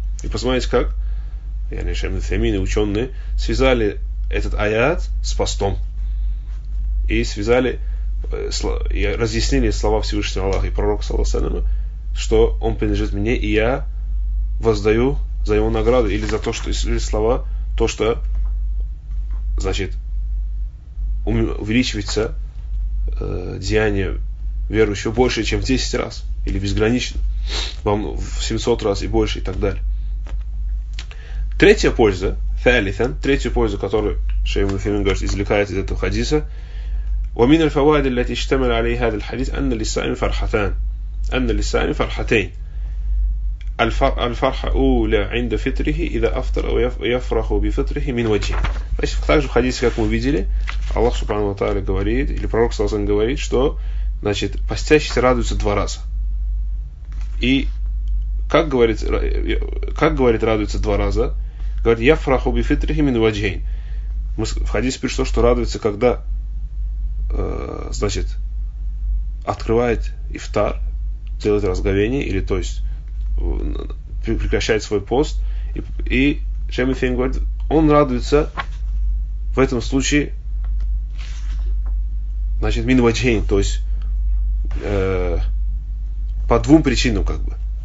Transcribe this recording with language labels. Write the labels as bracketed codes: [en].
[ru] И посмотрите, как Шейх Усеймин и ученые связали этот аят с постом и связали и разъяснили слова Всевышнего Аллаха и пророка саллаллаху алейхи ва саллям, что он принадлежит мне, и я воздаю за его награду, или за то, что или слова, то, что, значит, увеличивается деяние верующего больше, чем в 10 раз, или безгранично, вам в 700 раз и больше, и так далее. Третья польза, фалитан, третья польза, которую Шейх Мусаим говорит, извлекает из этого хадиса, [ar] ومن الفوائد التي اشتمل عليه هذا الحديث أن للصائم فرحتان أن للصائم فرحتين الفرحة أولى عند فطره إذا أفطر ويفرح بفطره من وجهه. [ru] Значит, также в хадисе, как мы видели, Аллах Субхану ва Тааля говорит, или пророк Саласан говорит, что, значит, постящийся радуется два раза. И как говорит радуется два раза? Говорит, [ar] яфраху бифитрихи мин ваджхейн. [ru] В хадисе пишет то, что радуется, когда, значит, открывает ифтар, делает разговение, или, то есть, прекращает свой пост, и Шейх Мусаим говорит, он радуется в этом случае, значит, мин ваджхейн, то есть по двум причинам, как бы.